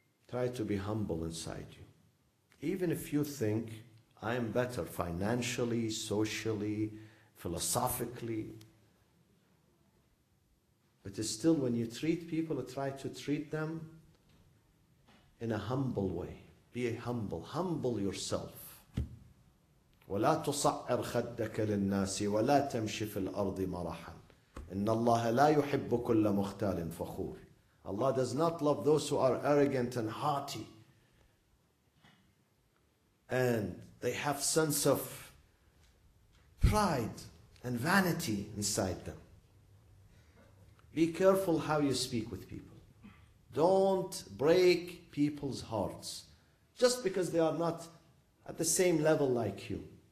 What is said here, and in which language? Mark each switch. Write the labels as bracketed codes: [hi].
[en] Try to be humble inside you. Even if you think, I am better financially, socially, philosophically, but still, when you treat people, try to treat them in a humble way. Be humble. Humble yourself. [ar] وَلَا تُصَعِّرْ خَدَّكَ لِلنَّاسِ وَلَا تَمْشِ فِي الْأَرْضِ مَرَحًا إِنَّ اللَّهَ لَا يُحِبُّ كُلَّ مُخْتَالٍ فَخُورٍ [en] Allah does not love those who are arrogant and haughty. And they have sense of pride and vanity inside them. Be careful how you speak with people. Don't break people's hearts just because they are not at the same level like you.